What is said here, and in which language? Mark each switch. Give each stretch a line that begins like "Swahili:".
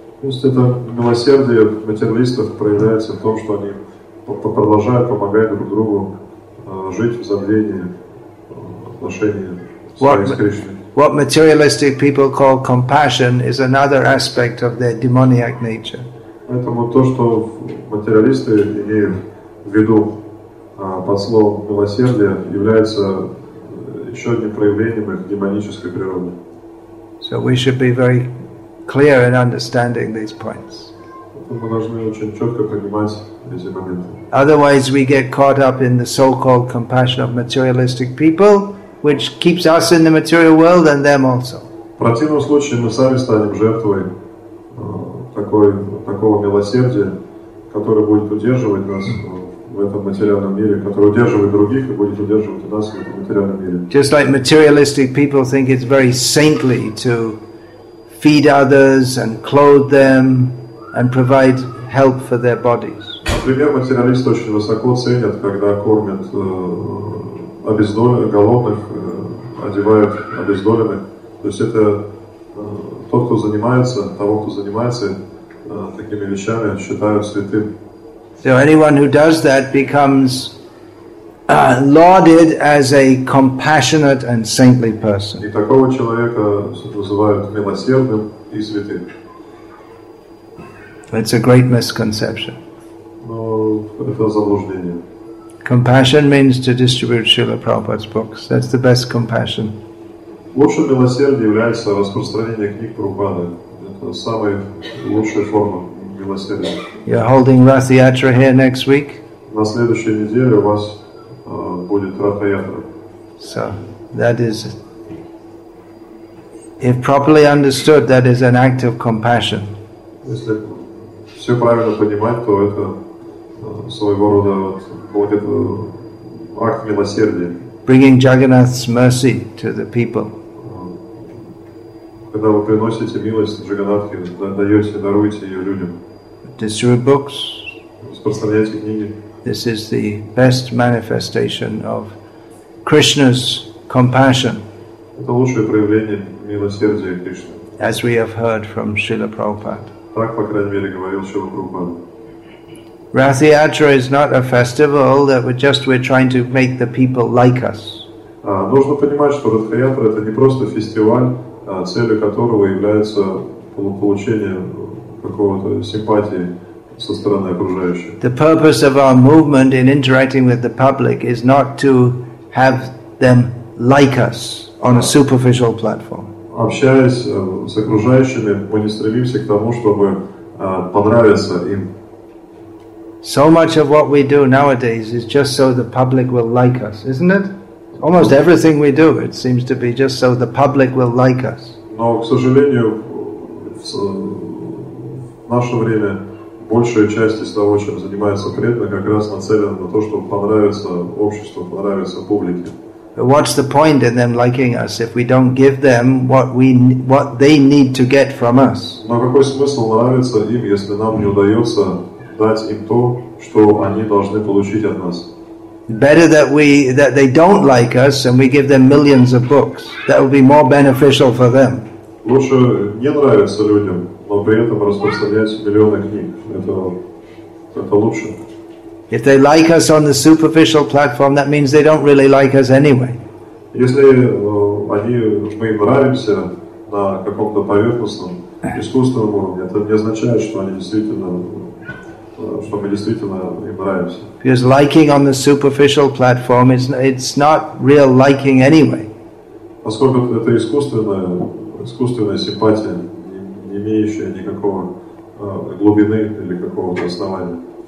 Russian: Пусть это милосердие материалистов проявляется в том, что они продолжают помогать друг другу жить в забвении отношения с Кришной.
English: What materialistic people call compassion is another aspect of their demoniac nature.
Russian: Поэтому то, что материалисты имеют в виду под словом милосердие, является еще одним проявлением их демонической природы.
English: So we should be very clear in understanding these points.
Russian: Мы должны очень четко понимать эти моменты.
English: Otherwise we get caught up in the so-called compassion of materialistic people, which keeps us in the material world and them also.
Russian: В противном случае мы сами станем жертвой такого милосердия, которое будет удерживать нас в этом материальном мире, который удерживает других и будет удерживать и нас в этом материальном мире.
English: Just like materialistic people think it's very saintly to feed others and clothe them and provide help for their bodies.
Russian: Например, материалисты очень высоко ценят, когда кормят обездоленных, голодных, одевают обездоленных. То есть это того, кто занимается такими вещами, считают святым.
English: So anyone who does that becomes lauded as a compassionate and saintly person.
Russian: И такого человека называют милосердным и святым.
English: That's a great misconception.
Russian: Но это заблуждение.
English: Compassion means to distribute Srila Prabhupada's books. That's the best compassion.
Russian: Лучше милосердие является распространение книг Прабхупады. Это самая лучшая форма.
English: You're holding Ratha Yatra here next week?
Russian: На следующей неделе у вас будет Ratha Yatra.
English: So, that is, if properly understood, that is an act of compassion.
Russian: Если все правильно понимать, то это своего рода будет акт милосердия.
English: Bringing Jagannath's mercy to the people.
Russian: Когда вы приносите милость Джаганнатхе, даете, даруете ее людям.
English: Distribute books.
Russian: Распространяйте книги.
English: This is the best manifestation of Krishna's compassion.
Russian: Это лучшее проявление милосердия Кришны.
English: As we have heard from Srila Prabhupada.
Russian: Так, по крайней мере, говорил Шрила Прабхупада.
English: Ratha Yatra is not a festival that we're trying to make the people like us.
Russian: Нужно понимать, что Ratha Yatra это не просто фестиваль, целью которого является получение какого-то симпатии со стороны окружающих.
English: The purpose of our movement in interacting with the public is not to have them like us on a superficial platform.
Russian: Общаясь с окружающими, мы не стремимся к тому, чтобы понравиться им.
English: So much of what we do nowadays is just so the public will like us, isn't it? Almost everything we do, it seems to be just so the public will like us.
Russian: Но, к сожалению, в наше время большая часть из того, чем занимается преданный, как раз нацелена на то, чтобы понравиться обществу, понравиться публике.
English: what's the point in them liking us if we don't give them what they need to get from us?
Russian: Но какой смысл нравиться им, если нам не удается дать им то, что они должны получить от нас?
English: Better that they don't like us and we give them millions of books. That would be more beneficial for them.
Russian: Лучше не нравиться людям, но при этом распространять миллионы книг. Это лучше.
English: If they like us on the superficial platform, that means they don't really like us anyway.
Russian: Если мы им нравимся на каком-то поверхностном искусственном уровне, это не означает, что они действительно
English: Because liking on the superficial platform it's not real liking anyway.
Russian: Поскольку это искусственная симпатия, не имеющая никакого глубины или какого-то основания.